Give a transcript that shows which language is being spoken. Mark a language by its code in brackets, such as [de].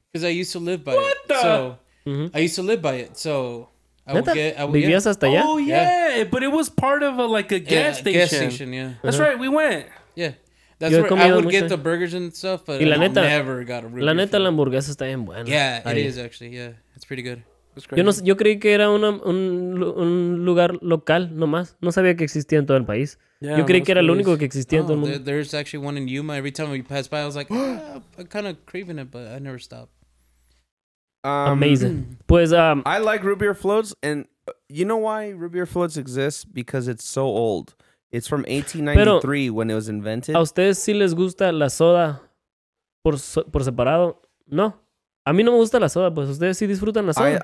[en] Because I used to live by it. What the? I used to live by it, so... [es] Vivías hasta allá? [en] Oh, yeah. But it was part of a gas station. Yeah. That's right. We went. Yeah. That's yo where I would mucho. Get the burgers and stuff, but [es] la neta, [en] I never got a root [es] la neta, la hamburguesa está bien buena. [en] Yeah, ahí. It is actually. Yeah. It's pretty good. [es] Yo, no, yo creí que era un lugar local nomás. No sabía que existía en todo el país. Yeah, yo creí que era lo único que existía en todo el mundo. [en] There's actually one in Yuma. Every time we passed by, I was like, I'm kind of craving it, but I never stopped. Amazing. I like root beer floats, and you know why root beer floats exist? Because it's so old. It's from 1893 when it was invented. [es] A ustedes sí les gusta la soda por separado? No. A mí no me gusta la soda, pues ustedes sí disfrutan la soda.